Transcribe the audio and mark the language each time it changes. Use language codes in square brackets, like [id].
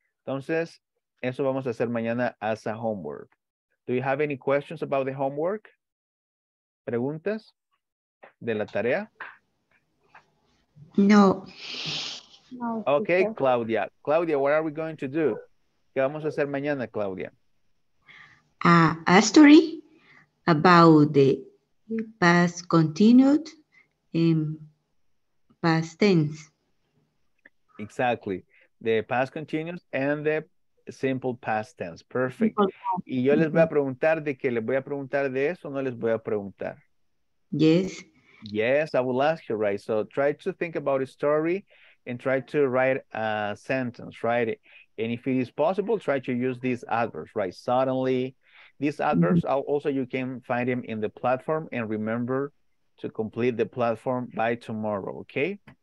[es] Entonces, eso vamos a hacer mañana [en] as a homework. Do you have any questions about the homework? [es] ¿Preguntas de la tarea? No. [en] Okay, Claudia. Claudia, what are we going to do? [es] ¿Qué vamos a hacer mañana, Claudia? [en] A story about the past continued and past tense. Exactly. The past continuous and the simple past tense. Perfect. [es] Y yo les voy a preguntar de que les voy a preguntar de eso, no les voy a preguntar. [en] Yes. Yes, I will ask you, right? So try to think about a story and try to write a sentence, right? And if it is possible, try to use these adverbs, right? Suddenly, these adverbs, also you can find them in the platform and remember to complete the platform by tomorrow, okay?